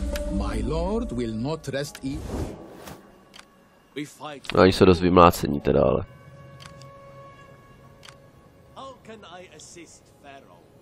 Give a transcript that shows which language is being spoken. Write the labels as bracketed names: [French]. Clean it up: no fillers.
[English] My lord will not rest easy. [Czech] No, oni jsou dost vymlácení teda, ale. [English] How can I assist Pharaoh?